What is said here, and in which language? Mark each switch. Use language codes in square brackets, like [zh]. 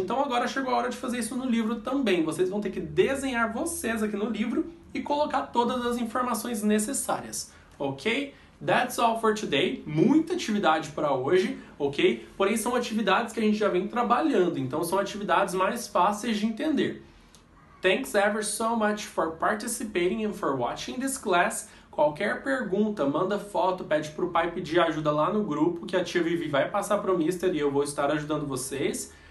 [pt] Então agora chegou a hora de fazer isso no livro também. Vocês vão ter que desenhar vocês aqui no livro e colocar todas as informações necessárias. Ok? [en] That's all for today. [pt] Muita atividade para hoje, ok? Porém, são atividades que a gente já vem trabalhando, então são atividades mais fáceis de entender. [en] Thanks ever so much for participating and for watching this class. [pt] Qualquer pergunta, manda foto, pede para o pai pedir ajuda lá no grupo, que a tia Vivi vai passar para o Mister e eu vou estar ajudando vocês.